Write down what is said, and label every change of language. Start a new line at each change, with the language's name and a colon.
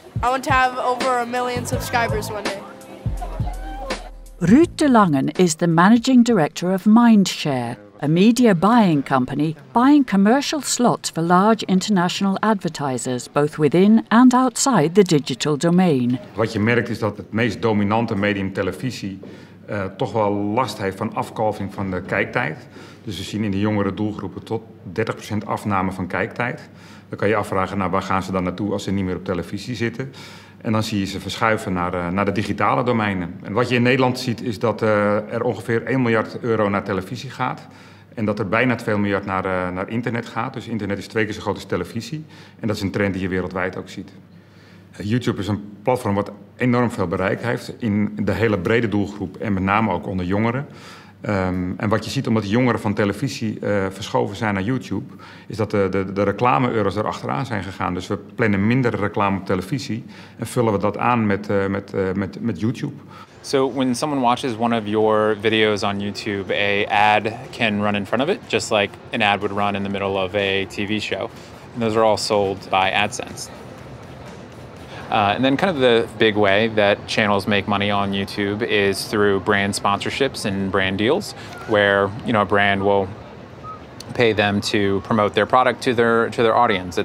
English: I want to have over 1 million subscribers one day. Ruud de Langen is the managing director of Mindshare, a media buying company buying commercial slots for large international advertisers, both within and outside the digital domain.
Dutch: Wat je merkt is dat het meest dominante medium televisie toch wel last heeft van afkalving van de kijktijd. Dus we zien in de jongere doelgroepen tot 30% afname van kijktijd. Dan kan je afvragen, nou, waar gaan ze dan naartoe als ze niet meer op televisie zitten? En dan zie je ze verschuiven naar de digitale domeinen. En wat je in Nederland ziet is dat er ongeveer 1 miljard euro naar televisie gaat. En dat er bijna 2 miljard naar internet gaat. Dus internet is 2 keer zo groot als televisie. En dat is een trend die je wereldwijd ook ziet. YouTube is een platform wat enorm veel bereik heeft in de hele brede doelgroep en met name ook onder jongeren. En wat je ziet omdat de jongeren van televisie verschoven zijn naar YouTube, is dat de reclame-euro's erachteraan zijn gegaan. Dus we plannen minder reclame op televisie en vullen we dat aan met YouTube.
English: So when someone watches one of your videos on YouTube, a ad can run in front of it, just like an ad would run in the middle of a TV show. And those are all sold by AdSense. And then kind of the big way that channels make money on YouTube is through brand sponsorships and brand deals, where, you know, a brand will pay them to promote their product to their audience.